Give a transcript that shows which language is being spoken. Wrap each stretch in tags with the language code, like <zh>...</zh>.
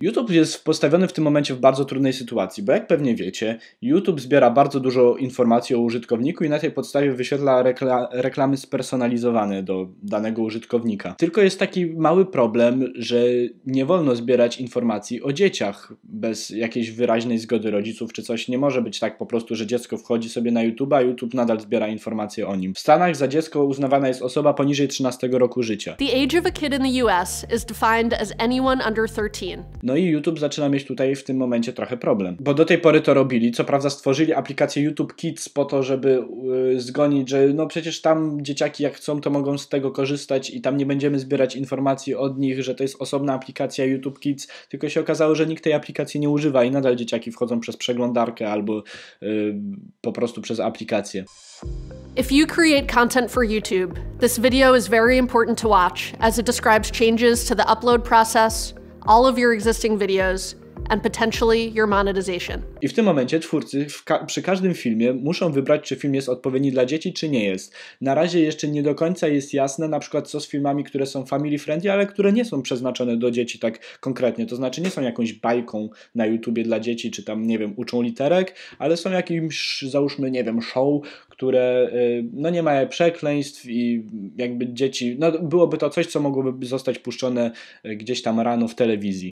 <pl>YouTube jest postawiony w tym momencie w bardzo trudnej sytuacji, bo jak pewnie wiecie, YouTube zbiera bardzo dużo informacji o użytkowniku i na tej podstawie wyświetla reklamy spersonalizowane do danego użytkownika. Tylko jest taki mały problem, że nie wolno zbierać informacji o dzieciach bez jakiejś wyraźnej zgody rodziców czy coś. Nie może być tak po prostu, że dziecko wchodzi sobie na YouTube, a YouTube nadal zbiera informacje o nim. W Stanach za dziecko uznawana jest osoba poniżej 13 roku życia.</pl> <en>The age of a kid in the US is defined as anyone under 13.</en> <pl>No i YouTube zaczyna mieć tutaj w tym momencie trochę problem. Bo do tej pory to robili, co prawda stworzyli aplikację YouTube Kids po to, żeby zgonić, że no przecież tam dzieciaki jak chcą, to mogą z tego korzystać i tam nie będziemy zbierać informacji od nich, że to jest osobna aplikacja YouTube Kids, tylko się okazało, że nikt tej aplikacji nie używa i nadal dzieciaki wchodzą przez przeglądarkę albo po prostu przez aplikację.</pl> <en>If you create content for YouTube, this video is very important to watch as it describes changes to the upload process, all of your existing videos, and potentially your monetization.</en> <pl>I w tym momencie twórcy przy każdym filmie muszą wybrać, czy film jest odpowiedni dla dzieci, czy nie jest. Na razie jeszcze nie do końca jest jasne, na przykład co z filmami, które są family friendly, ale które nie są przeznaczone do dzieci tak konkretnie. To znaczy nie są jakąś bajką na YouTubie dla dzieci, czy tam, nie wiem, uczą literek, ale są jakimś, załóżmy, nie wiem, show, które no nie mają przekleństw i jakby dzieci, no byłoby to coś, co mogłoby zostać puszczone gdzieś tam rano w telewizji.</pl>